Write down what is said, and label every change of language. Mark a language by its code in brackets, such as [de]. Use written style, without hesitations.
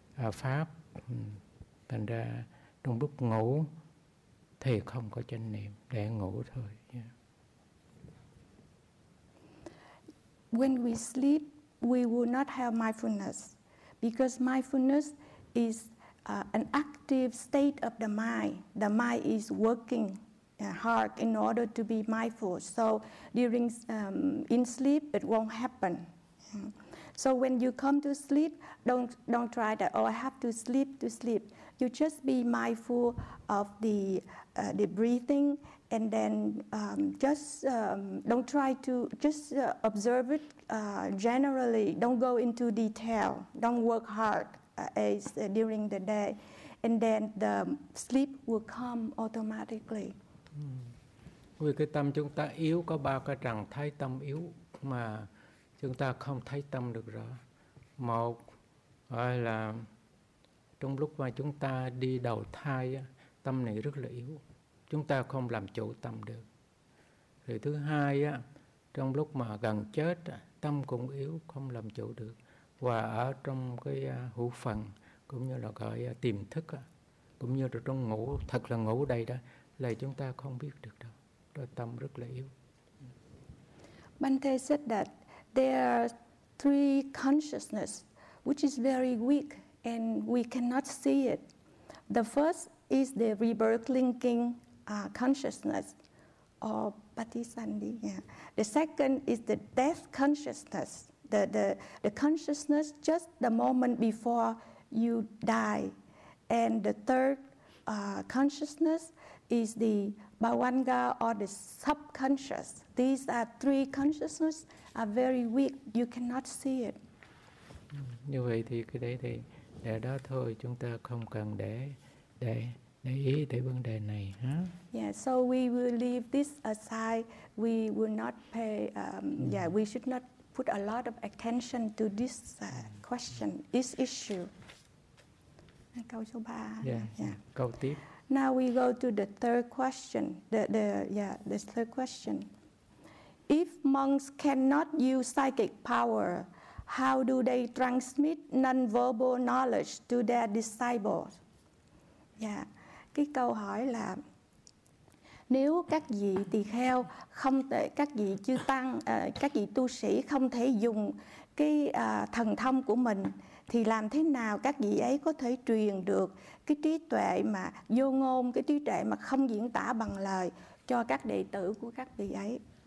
[vi] pháp. Thành ra trong lúc ngủ thì không có chánh niệm, để ngủ thôi. [en] Yeah. When we sleep, we will not have mindfulness, because mindfulness is an active state of the mind. The mind is working hard in order to be mindful. So during in sleep, it won't happen. So when you come to sleep, don't try that. Oh, I have to sleep to sleep. You just be mindful of the breathing, and then don't try to just observe it generally. Don't go into detail. Don't work hard during the day, and then the sleep will come automatically. [vi] Vì cái tâm chúng ta yếu, có ba cái trạng thái tâm yếu mà chúng ta không thấy tâm được rõ. Một gọi là trong lúc mà chúng ta đi đầu thai, tâm này rất là yếu, chúng ta không làm chủ tâm được. Rồi thứ hai, trong lúc mà gần chết, tâm cũng yếu, không làm chủ được. Và ở trong cái hữu phần, cũng như là cái tiềm thức, cũng như là trong ngủ, thật là ngủ đầy đó, là chúng ta không biết được đâu. Rồi tâm rất là yếu. [en] Bhante said that there are three consciousness which is very weak and we cannot see it. The first is the rebirth linking consciousness or patisandhi. Yeah. The second is the death consciousness, the consciousness just the moment before you die. And the third consciousness is the bhavanga or the subconscious. These are three consciousness are very weak. You cannot see it. [vi] Như vậy thì cái đấy thì để đó thôi, chúng ta không cần để ý tới vấn đề này. Huh? [en] Yeah, so we will leave this aside. We will not pay, we should not put a lot of attention to this question, this issue. [vi] Câu số 3. Yeah. Câu tiếp. [en] Now we go to the third question. The third question. If monks cannot use psychic power, how do they transmit non-verbal knowledge to their disciples? Yeah. [vi] Cái câu hỏi là nếu các vị tỳ kheo không thể, các vị chư tăng, các vị tu sĩ không thể dùng cái thần thông của mình, thì làm thế nào các vị ấy có thể truyền được cái trí tuệ mà vô ngôn, cái trí tuệ mà không diễn tả bằng lời cho các đệ tử của các vị ấy?